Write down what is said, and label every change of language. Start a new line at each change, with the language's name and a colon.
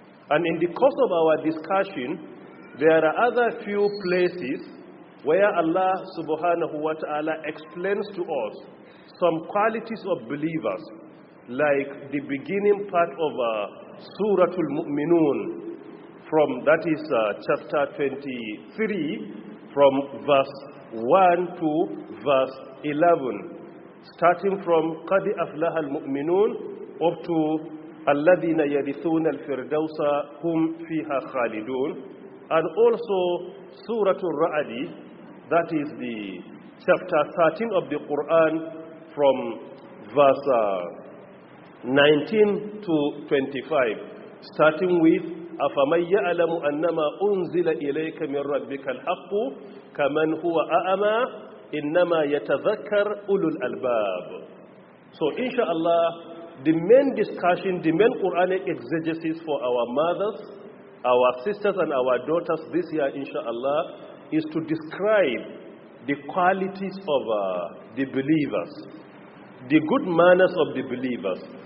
English: And in the course of our discussion, there are other few places where Allah subhanahu wa ta'ala explains to us some qualities of believers, like the beginning part of Surah Al-Mu'minun, from that is chapter 23, from verse 1 to verse 11. Starting from
Arabic: قَدْ أَفْلَحَ الْمُؤْمِنُونَ
English: up to
Arabic: الَّذِينَ يَرِثُونَ الْفِرْدَوْسَ هُمْ فِيهَا خَالِدُونَ,
English: and also Surah Al-Ra'd, that is the chapter 13 of the Quran, from verse 19 to 25, starting with
Arabic: أَفَمَنْ يَعْلَمُ أَنَّمَا أُنْزِلَ إِلَيْكَ مِنْ رَبِّكَ الْحَقُّ كَمَنْ هُوَ أَعْمَى إِنَّمَا يَتَذَكَّرْ أُولُو الْأَلْبَابِ.
English: So inshallah, the main discussion, the main Quranic exegesis for our mothers, our sisters and our daughters this year inshallah, is to describe the qualities of the believers, the good manners of the believers.